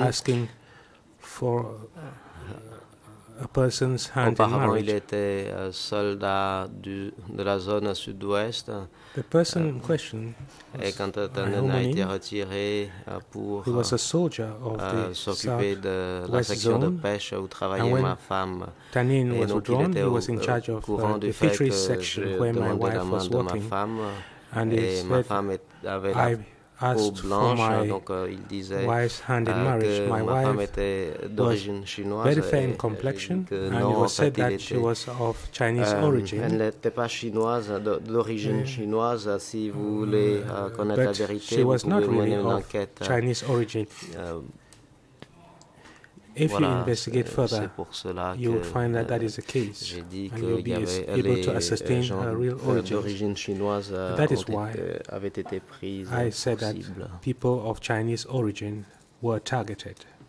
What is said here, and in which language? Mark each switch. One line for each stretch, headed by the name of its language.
English: Asking for a person's hand in marriage.
French: Il était soldat de la zone sud-ouest.
English: The person in question
French: et quand Tannen a été retiré pour s'occuper de la section de pêche où travaillait ma femme.
English: Tannen was withdrawn, he was in charge of the fisheries section where my wife was working. And
French: et ma femme avait la peau blanche, donc il disait que ma femme était d'origine chinoise et que elle n'était pas chinoise, d'origine chinoise. Si vous voulez connaître la vérité, vous pouvez mener une enquête.
English: Chinese origin. If
French: voilà,
English: you investigate further, you would find that that is the case, and you'll be able to ascertain her real origin. That is why I said that people of Chinese origin were targeted.